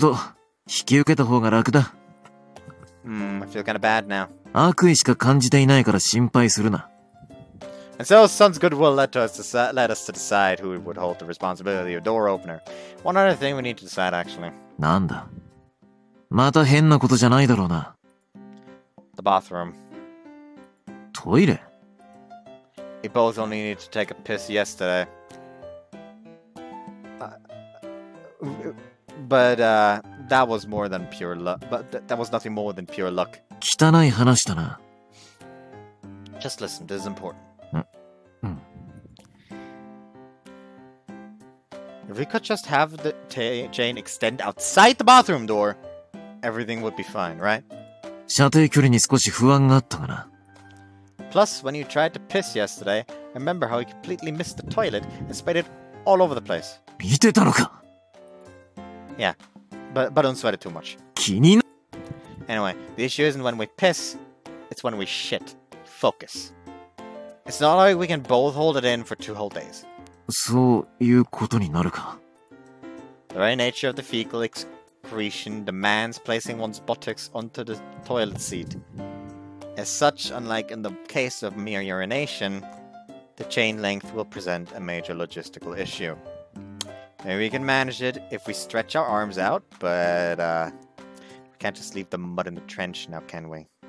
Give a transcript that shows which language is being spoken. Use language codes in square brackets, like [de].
[ja] ああ、もう言い争うのも疲れた。それならいっそのこと、引き受けた方が楽だ。 [en] I feel kind of bad now. [ja] 悪意しか感じていないから心配するな。 [en] And so, son's goodwill led us to decide who would hold the responsibility of door opener. One other thing we need to decide, actually. [ja] なんだ? また変なことじゃないだろうな。 [en] The bathroom. [ja] トイレ? [en] We both only needed to take a piss yesterday. That was more than pure luck. But that was nothing more than pure luck. [ja] 汚い話だな。 [en] Just listen, this is important. If we could just have the chain extend outside the bathroom door, everything would be fine, right? [ja] 射程距離に少し不安があったかな。 [en] Plus, when you tried to piss yesterday, remember how you completely missed the toilet and sprayed it all over the place. [ja] 見てたのか? [en] Yeah. But don't sweat it too much. [ja] 気になる? [en] Anyway, the issue isn't when we piss, it's when we shit. Focus. It's not like we can both hold it in for two whole days. [ja] そういうことになるか? [en] The very nature of the fecal excretion demands placing one's buttocks onto the toilet seat. As such, unlike in the case of mere urination, the chain length will present a major logistical issue. Maybe we can manage it if we stretch our arms out, but we can't just leave the mud in the trench now, can we?